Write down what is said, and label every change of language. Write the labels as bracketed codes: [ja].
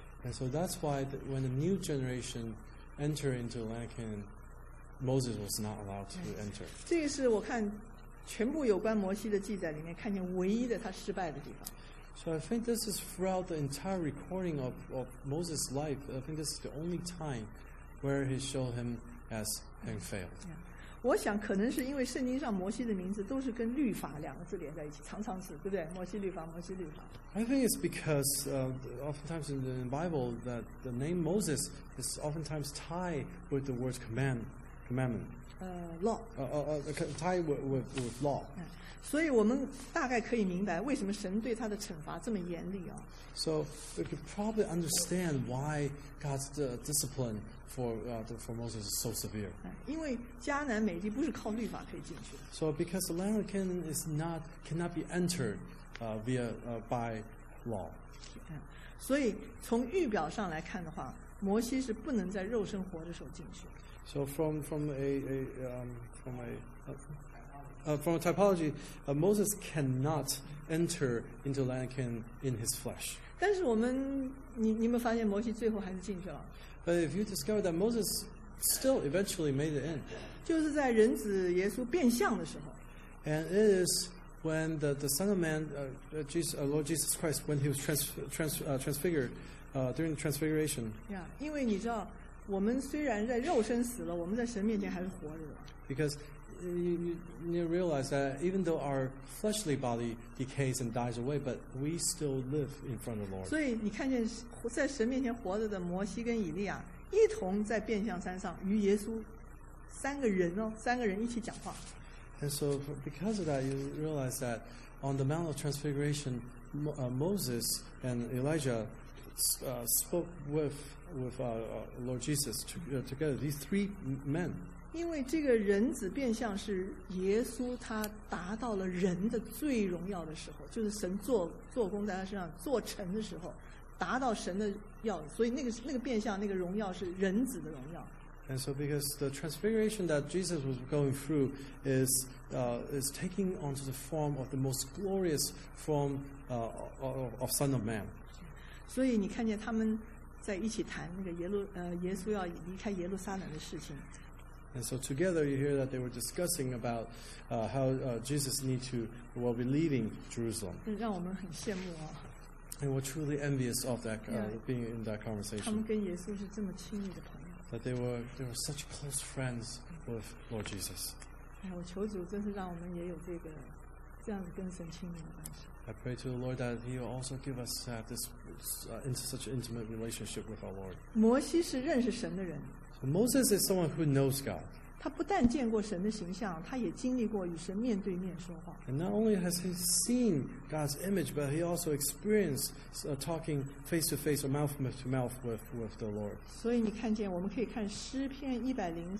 [en] And so that's why the, when the new generation entered into the land of Canaan, Moses was not allowed to enter. [zh] 这个是我看全部有关摩西的记载里面看见唯一的他失败的地方。 [en] So I think this is throughout the entire recording of Moses' life, I think this is the only time where he showed him as having failed. [zh] 我想可能是因为圣经上摩西的名字都是跟律法两个字连在一起，常常是，对不对？摩西律法，摩西律法。 [en] I think it's because oftentimes in the Bible that the name Moses is oftentimes tied with the words commandment. Law. So we could probably understand why God's discipline for Moses is so severe. [zh] 因为迦南美地不是靠律法可以进去。 [en] So because the land of Canaan cannot be entered by law. [zh] 所以从预表上来看的话，摩西是不能在肉身活的时候进去。 [en] So from a typology, Moses cannot enter into land Canaan in his flesh. [zh] 但是我们你们发现摩西最后还是进去了。 [en] But if you discover that Moses still eventually made it in, [zh] 就是在人子耶稣变相的时候。 [en] And it is when the Son of Man, Lord Jesus Christ, when he was transfigured during the transfiguration. [zh] Yeah, 因为你知道。我们虽然在肉身死了，我们在神面前还是活着的。 [en] Because you realize that even though our fleshly body decays and dies away, but we still live in front of the Lord. [zh] 所以你看见在神面前活着的摩西跟以利亚一同在变相山上与耶稣三个人一起讲话。 [en] And so because of that, you realize that on the Mount of Transfiguration, Moses and Elijah spoke with Lord Jesus together, these three men. [zh] 因为这个人子变相是耶稣他达到了人的最荣耀的时候，就是神做工在他身上做成的时候，达到神的要，所以那个变相那个荣耀是人子的荣耀。 [en] And so because the transfiguration that Jesus was going through is taking on to the form of the most glorious form of Son of Man. [zh] 所以你看见他们在一起谈那个耶稣要离开耶路撒冷的事情。 [en] And so together you hear that they were discussing about how Jesus will be leaving Jerusalem. [zh] 让我们很羡慕啊。 [en] And we're truly envious of that being in that conversation. [zh] 他们跟耶稣是这么亲密的朋友。 [en] That they were such close friends with Lord Jesus. [zh] 哎，我求主真是让我们也有这样子跟神亲密的关系。 [en] I pray to the Lord that He will also give us such an intimate relationship with our Lord. [zh] 摩西是认识神的人。 [en] So Moses is someone who knows God. [zh] 他不但见过神的形象，他也经历过与神面对面说话。 [en] And not only has he seen God's image, but he also experienced talking face to face or mouth to mouth with the Lord. [zh] 所以你看见，我们可以看诗篇103:7.